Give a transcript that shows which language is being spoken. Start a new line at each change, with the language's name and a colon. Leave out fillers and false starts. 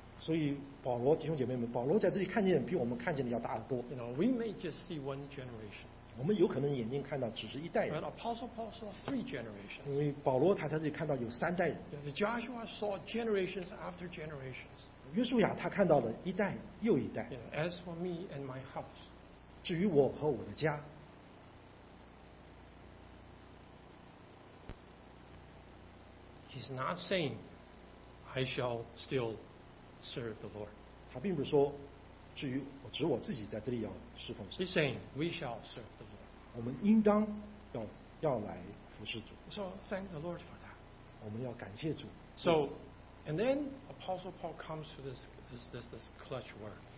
Chinese: 所以保罗弟兄姐妹们，保罗在这里看见比我们看见的要大得多。
English: You know, we may just see one generation.
Chinese: 我们有可能眼睛看到只是一代人。
English: But Apostle Paul saw three generations.
Chinese: 因为保罗他在这里看到有三代人。
English: The Joshua saw generations after generations.
Chinese: 约书亚他看到了一代又一代。
English: Yeah, as for me and my house.
Chinese: 至于我和我的家。
English: He's not saying, I shall still. Serve the Lord.
Chinese: 他并不是说，指我自己在这里要侍奉神。
English: He's saying we shall serve the Lord.
Chinese: 我们应当要来服侍主。
English: So thank the Lord for that.
Chinese: 我们要感谢主。
English: So, and then Apostle Paul comes to this clutch word.